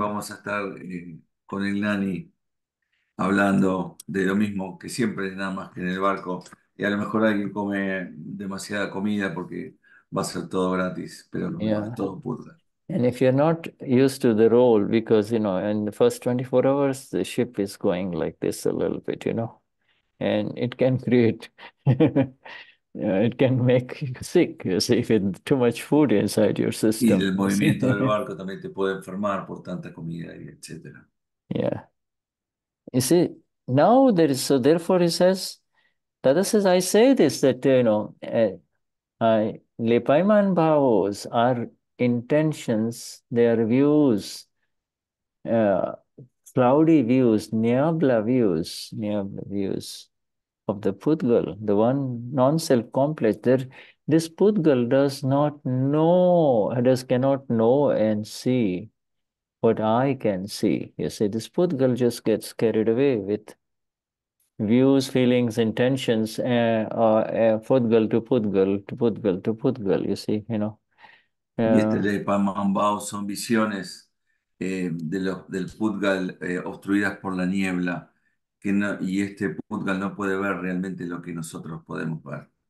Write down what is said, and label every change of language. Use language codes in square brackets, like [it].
[es] vamos a estar con el Nani hablando de lo mismo que siempre, nada más que en el barco. Y a lo mejor alguien come demasiada comida porque va a ser todo gratis, pero lo mismo es [en] Yeah. [es] todo purga. [en] And if you're not used to the role, because, you know, in the first 24 hours, the ship is going like this a little bit, you know, and it can create. It can make you sick, you see, if it's too much food inside your [es] Y [en] system, you see. [es] movimiento del barco también te puede enfermar por tanta comida y etcétera. [en] Yeah. You see, now there is, so therefore he says, Dada says, I say this, that, you know, I lepaiman bhavos are intentions, they are views, cloudy views, niabla views, niabla views. Of the Pudgal, the one non-self complex, there, this Pudgal does not know, does cannot know and see what I can see. You see, this Pudgal just gets carried away with views, feelings, intentions, Pudgal to Pudgal to Pudgal to Pudgal, you see, you know. [es] Y este Lepa Mambao son visiones del Putgal obstruidas por la niebla, que no, y este Putgal no puede ver realmente lo que nosotros podemos ver.